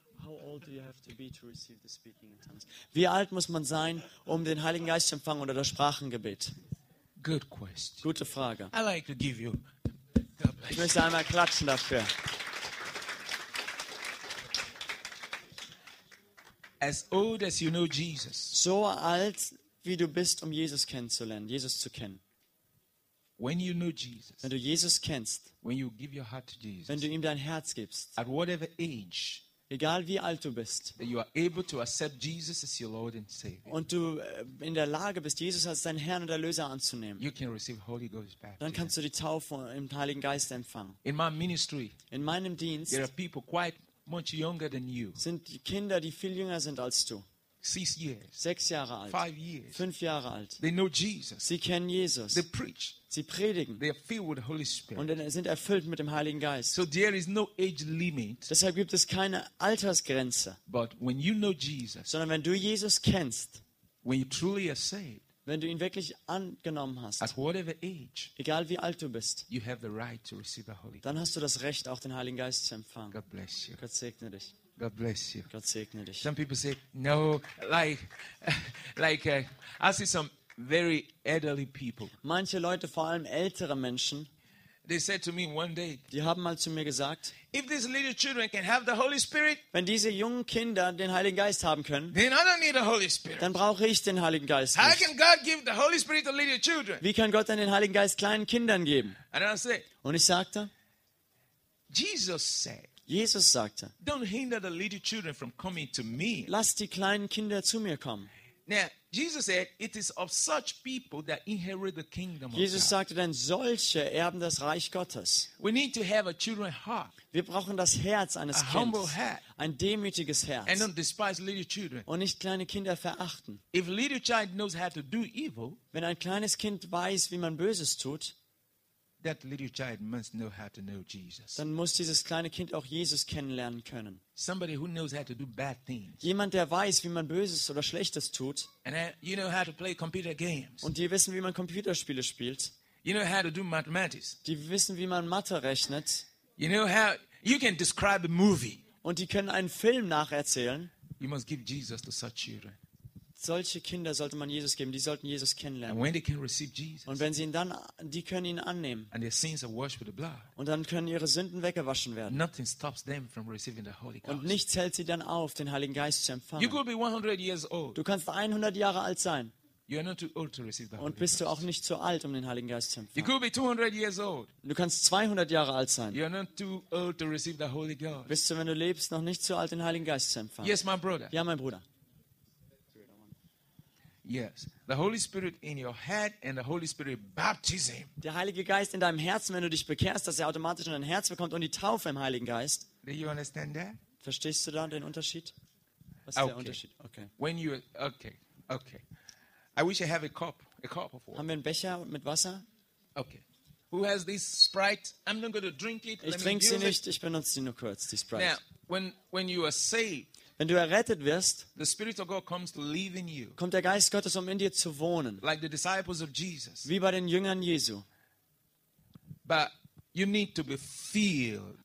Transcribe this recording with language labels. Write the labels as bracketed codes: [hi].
[en] How old do you have to be to receive the speaking in tongues? [de] Wie alt muss man sein, um den Heiligen Geist zu empfangen oder das Sprachengebet? [en] Good question. [de] Gute Frage. [en] I like to give you. [de] Ich möchte einmal klatschen dafür. [en] As old as you know Jesus. [de] So alt wie du bist, um Jesus kennenzulernen, Jesus zu kennen. [en] When you know Jesus. [de] Wenn du Jesus kennst. [en] When you give your heart to Jesus. [de] Wenn du ihm dein Herz gibst. [en] At whatever age. [de] Egal wie alt du bist. [en] That you are able to accept Jesus as your Lord and Savior. [de] Und du in der Lage bist, Jesus als deinen Herrn und Erlöser anzunehmen. [en] You can receive Holy Ghost baptism. [de] Dann kannst du die Taufe im Heiligen Geist empfangen. [en] In my ministry. [de] In meinem Dienst. [en] There are people quite much younger than you. [de] Sind Kinder, die viel jünger sind als du. 6 Jahre alt. [en] 5 years. [de] 5 Jahre alt. [en] They know Jesus. [de] Sie kennen Jesus. [en] They preach. [de] Sie predigen. [en] They are filled with the Holy Spirit. [de] Und sind erfüllt mit dem Heiligen Geist. [en] So there is no age limit. [de] Deshalb gibt es keine Altersgrenze. [en] But when you know Jesus. [de] Sondern wenn du Jesus kennst. [en] When you truly are saved. [de] Wenn du ihn wirklich angenommen hast, [en] at whatever age, [de] egal wie alt du bist, [en] you have the right to receive the Holy Ghost. [de] Dann hast du das Recht, auch den Heiligen Geist zu empfangen. [en] God bless you. [de] Gott segne dich. [en] God bless you. [de] Gott segne dich. [en] Some people say, no, like I see some very elderly people. [de] Manche Leute, vor allem ältere Menschen, [en] they said to me one day, [de] die haben mal zu mir gesagt, [en] if these little children can have the Holy Spirit, [de] wenn diese jungen Kinder den Heiligen Geist haben können, [en] then I don't need the Holy Spirit. [de] Dann brauche ich den Heiligen Geist [en] How [de] nicht. [en] Can God give the Holy Spirit to little children? [de] Wie kann Gott dann den Heiligen Geist kleinen Kindern geben? [en] And I said, [de] und ich sagte, [en] Jesus said, [de] Jesus sagte, [en] don't hinder the little children from coming to me. [de] Lass die kleinen Kinder zu mir kommen. [en] Now, Jesus said, it is of such people that inherit the kingdom of God. [de] Jesus sagte, denn solche erben das Reich Gottes. [en] We need to have a children's heart. [de] Wir brauchen das Herz eines Kindes. [en] A humble heart. [de] Ein demütiges Herz. [en] And don't despise little children. [de] Und nicht kleine Kinder verachten. [en] If a little child knows how to do evil, [de] wenn ein kleines Kind weiß, wie man Böses tut, [en] that little child must know how to know Jesus. [de] Dann muss dieses kleine Kind auch Jesus kennenlernen können. [en] Somebody who knows how to do bad things. [de] Jemand, der weiß, wie man Böses oder Schlechtes tut. [en] And you know how to play computer games. [de] Und die wissen, wie man Computerspiele spielt. [en] You know how to do mathematics. [de] Die wissen, wie man Mathe rechnet. [en] You know how you can describe a movie. [de] Und die können einen Film nacherzählen. [en] You must give Jesus to such children. [de] Solche Kinder sollte man Jesus geben, die sollten Jesus kennenlernen. [en] And when they can receive Jesus, [de] und wenn sie ihn dann, die können ihn annehmen. [en] And their sins are washed with the blood, [de] und dann können ihre Sünden weggewaschen werden. [en] Nothing stops them from receiving the Holy Ghost. [de] Und nichts hält sie dann auf, den Heiligen Geist zu empfangen. [en] You could be 100 years old. [de] Du kannst 100 Jahre alt sein. [en] You are not too old to receive the Holy [de] und bist du auch nicht zu alt, um den Heiligen Geist zu empfangen. [en] You could be 200 years old. [de] Du kannst 200 Jahre alt sein. [en] You are not too old to receive the Holy Ghost. [de] Bist du, wenn du lebst, noch nicht zu alt, den Heiligen Geist zu empfangen. [en] Yes, my brother. [de] Ja, mein Bruder. [en] Yes, the Holy Spirit in your head and the Holy Spirit baptism. [de] Der Heilige Geist in deinem Herzen, wenn du dich bekehrst, dass er automatisch in dein Herz bekommt und die Taufe im Heiligen Geist. [en] Do you understand that? [de] Verstehst du da den Unterschied? Was ist der Unterschied? [en] Okay. When you okay. I wish I have a cup of water. [de] Haben wir einen Becher mit Wasser? [en] Okay. Who has this Sprite? I'm not going to drink it. [de] Ich trinke sie nicht. Ich benutze sie nur kurz. Die Sprite. [en] Now, when you are saved. [de] Wenn du errettet wirst, [en] the Spirit of God comes to live in you, [de] kommt der Geist Gottes, um in dir zu wohnen. [en] Like the disciples of Jesus. [de] Wie bei den Jüngern Jesu. [en] But you need to be filled.